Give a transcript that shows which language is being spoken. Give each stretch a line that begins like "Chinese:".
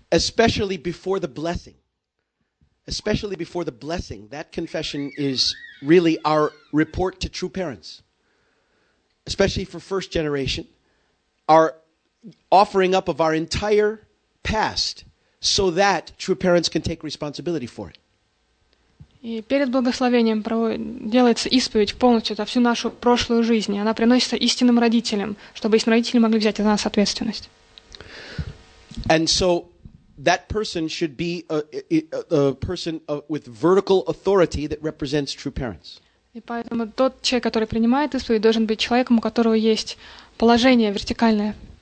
English: Especially before the blessing. Especially before the blessing, that confession is really our report to true parents. Especially for first generation, our offering up of our entire past so that true parents can take responsibility for it.
Russian: И перед благословением делается исповедь полностью за всю нашу прошлую жизнь. Она приносится истинным родителям, чтобы истинные родители могли взять за нас ответственность.
English: And so that person should be a person with vertical authority that represents true parents.
Russian: И поэтому тот человек, который принимает исповедь, должен быть человеком, у которого есть положение вертикальное.